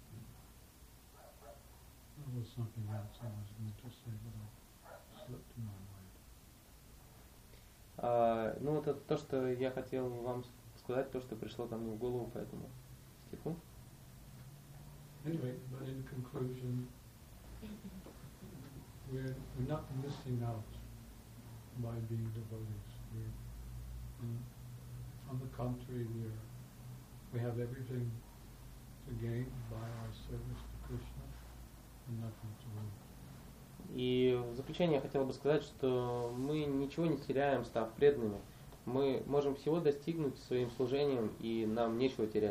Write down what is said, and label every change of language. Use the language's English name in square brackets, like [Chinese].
[English] There was something else I was going to say, but I slipped in my mind. [Russian] Ну, это то, что я хотел вам сказать, то, что пришло ко мне в голову по этому стиху. [English] Anyway, but in conclusion, we're not missing out by being devotees. On the contrary, we have everything to gain by our service to Krishna and nothing to lose. [Russian] И в заключение я хотел бы сказать, что мы ничего не теряем, став преданными. Мы можем всего достигнуть своим служением, и нам нечего